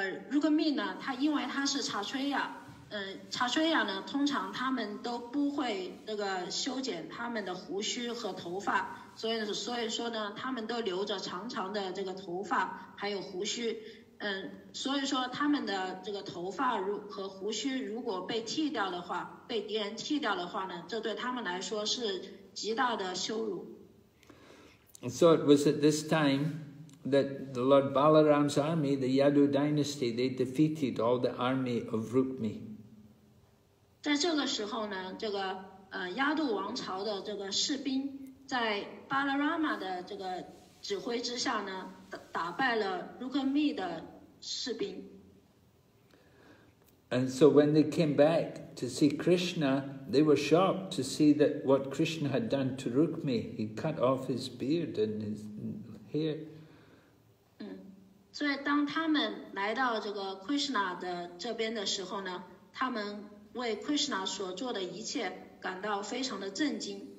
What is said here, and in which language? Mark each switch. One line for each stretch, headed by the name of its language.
Chinese: Rukmini 呢，他因为他是查崔亚，查崔亚呢，通常他们都不会那个修剪他们的胡须和头发，所以说呢，他们都留着长长的这个头发还有胡须。所以说他们的这个头发和胡须如果被剃掉的话，被敌人剃掉的话呢，这对他们来说是极大的羞辱。
English: So it was at this time that the Lord Balaram's army, the Yadu dynasty, they defeated all the army of Rukmini.
Chinese: 在这个时候呢，这个亚杜王朝的这个士兵在巴拉拉玛的这个指挥之下呢，打败了 Rukmini 的士兵。
English: And so when they came back to see Krishna, they were shocked to see that what Krishna had done to Rukmini. He cut off his beard and his hair.
Chinese: 所以当他们来到这个 Krishna 的这边的时候呢，他们为 Krishna 所做的一切感到非常的震惊。